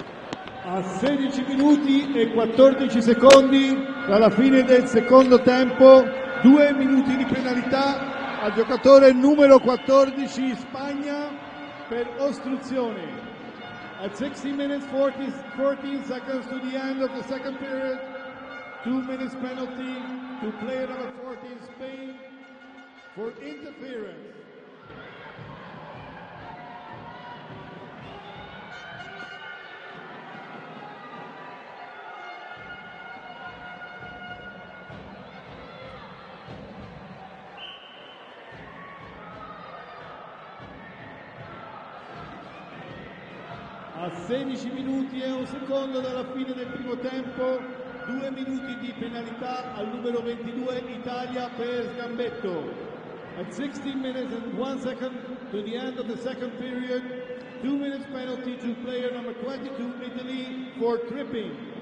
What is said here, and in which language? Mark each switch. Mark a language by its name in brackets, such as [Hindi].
[Italian] E 14 secondi dalla fine del secondo tempo, 2 minuti di penalità al giocatore numero 14 Spagna per ostruzione. [English] At 16 minutes 14 seconds to the end of the second period, 2 minutes penalty to player number 14 Spain for interference. [Italian] a 16 minuti e un secondo dalla fine del primo tempo, 2 minuti di penalità al numero 22 Italia per sgambetto. [English] At 16 minutes and 1 second to the end of the second period, 2 minutes penalty to player number 22 Italy for tripping.